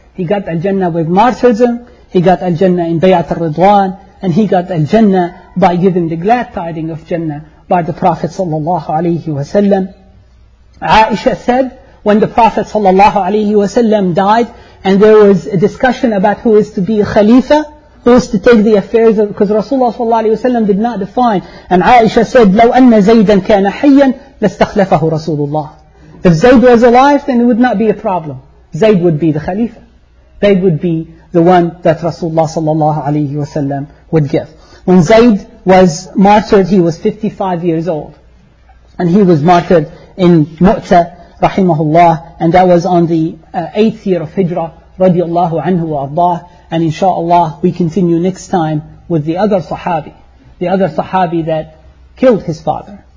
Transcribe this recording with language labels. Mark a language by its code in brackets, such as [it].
[en] He got al-Jannah with martyrdom, he got al-Jannah in Bayat al-Ridwan, and he got al-Jannah by giving the glad tidings of Jannah by the Prophet sallallahu alayhi wa sallam. Aisha said, when the Prophet sallallahu alayhi wa sallam died, and there was a discussion about who is to be a Khalifa, who is to take the affairs of, because Rasulullah sallallahu alayhi wa sallam did not define. And Aisha said, [ar] لو أن زيدا كان حيا لاستخلفه رسول الله. [en] If Zayd was alive, then it would not be a problem. Zayd would be the Khalifa. Zayd would be the one that Rasulullah sallallahu alayhi wa sallam would give. When Zayd was martyred, he was 55 years old. And he was martyred in Mu'tah, rahimahullah, and that was on the 8th year of Hijrah, radiyallahu anhu wa abdah, and inshaAllah we continue next time with the other Sahabi that killed his father.